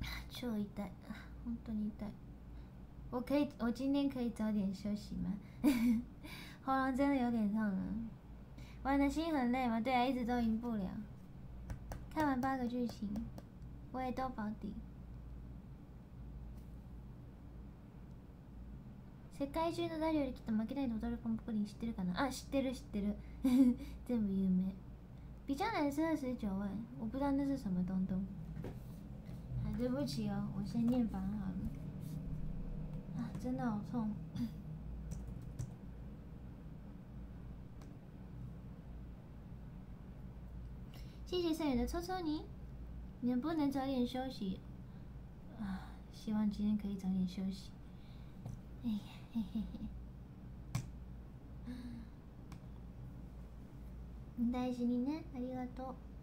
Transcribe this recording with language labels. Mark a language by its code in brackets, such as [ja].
[zh] 就一袋，本当一袋。我今天可以早点休息吗？喉咙真的有点痛了，玩的心很累吗？对啊，一直都赢不了。看完八个剧情，我也都保底。 [ja] 世界中の誰よりきっと負けないと踊るポンポコリン知ってるかな？あ、知ってる知ってる。全部有名。 [zh] 比较难是29万，我不知道那是什么东东。啊，对不起哦，我先念完好了。啊，真的好痛。谢谢善宇的抽抽你，能不能早点休息？啊，希望今天可以早点休息。哎呀，嘿嘿嘿。 [ja] 大事にね、ありがとう。